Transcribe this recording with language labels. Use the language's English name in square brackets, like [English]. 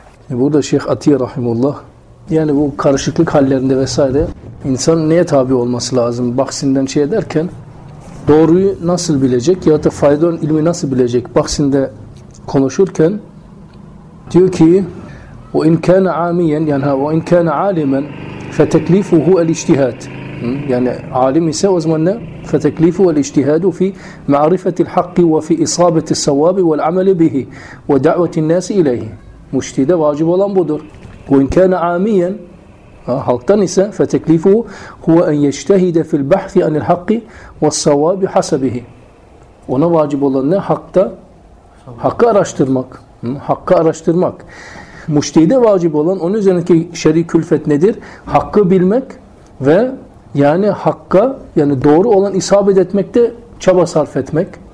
[Turkish] Burada Şeyh Atiye Rahimullah, yani bu karışıklık hallerinde vesaire insan neye tabi olması lazım? Baksinden şey derken doğruyu nasıl bilecek ya da faydalı ilmi nasıl bilecek? Baksinde konuşurken diyor ki o [Arabic] in kana amiyen [Turkish] yani ha o [Arabic] in kana alimen feteklifuhu el-iştihad. [Turkish] Yani alim ise o zaman ne? [Arabic] فتكليفه والاجتهاد في معرفة الحق وفي إصابة الصواب والعمل به ودعوة الناس إليه. [Turkish] مجتهد واجب olan budur. [Arabic] وإن كان عاميا [Turkish] halktan ise [Arabic] فتكليفه هو أن يجتهد في البحث عن الحق والصواب حسبه. [Turkish] Ona vacip olan ne? Hakta, hakkı araştırmak. Hakkı araştırmak. Mujtehide vacip olan, onun üzerindeki şer'i külfet nedir? Hakkı bilmek ve yani hakka, yani doğru olan isabet etmekte çaba sarf etmek.